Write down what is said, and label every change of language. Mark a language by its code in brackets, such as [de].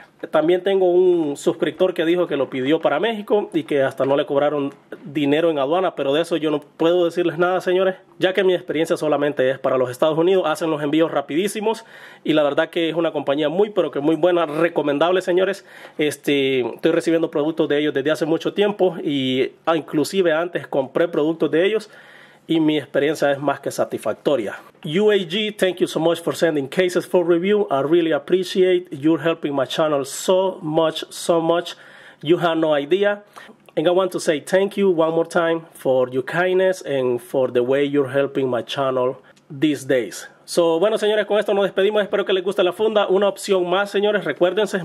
[es] También tengo un suscriptor que dijo que lo pidió para México y que hasta no le cobraron dinero en aduana, pero de eso yo no puedo decirles nada, señores, ya que mi experiencia solamente es para los Estados Unidos. Hacen los envíos rapidísimos y la verdad que es una compañía muy, pero que muy buena, recomendable, señores. Estoy recibiendo productos de ellos desde hace mucho tiempo y inclusive antes compré productos de ellos y mi experiencia es más que satisfactoria. [en] UAG, thank you so much for sending cases for review. I really appreciate you helping my channel so much. You have no idea. And I want to say thank you one more time for your kindness and for the way you're helping my channel these days. [es] So, bueno, señores, con esto nos despedimos. Espero que les guste la funda. Una opción más, señores, recuérdense.